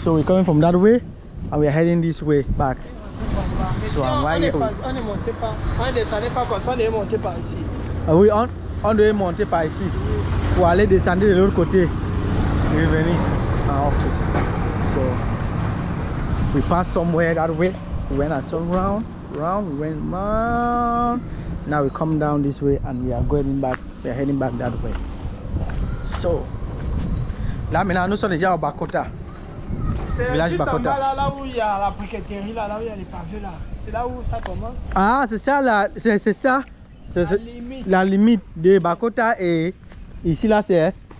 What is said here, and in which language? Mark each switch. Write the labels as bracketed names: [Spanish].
[English] So we're coming from that way and we're heading this way back. So I'm right here. [French] On ne monte pas. On descendait pas comme ça, on devait monter par ici. Ah oui, on devait monter par ici. Pour aller descendre de l'autre côté. Et venir. Ah ok. [English] So we passed somewhere that way. We went and turned round, we went round. Now we come down this way and we are going back. We are heading back that way. [French] So là maintenant nous sommes déjà au Bakota. Village Bakota. Là où il y a la briqueterie, là où il y a les pavés, là. C'est là où ça commence. Ah, c'est ça, là. C'est ça. C'est la limite. La limite de Bakota et ici, là, c'est.